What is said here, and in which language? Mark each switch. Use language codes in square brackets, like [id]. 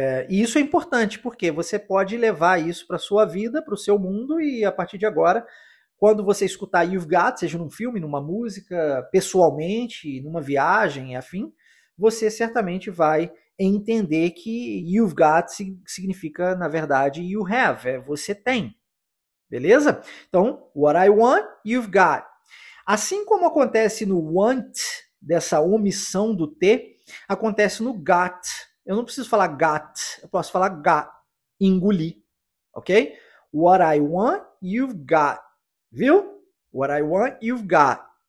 [pt] E isso é importante porque você pode levar isso para sua vida, para o seu mundo, e a partir de agora, quando você escutar You've Got, seja num filme, numa música, pessoalmente, numa viagem e afim, você certamente vai entender que You've Got significa, na verdade, you have, é você tem. Beleza? [en] Então, what I want, you've got. [pt] Assim como acontece no want, dessa omissão do T, acontece no got. Eu não preciso falar got, eu posso falar got, engolir, ok? [en] What I want, you've got. Viu? What I want, you've got.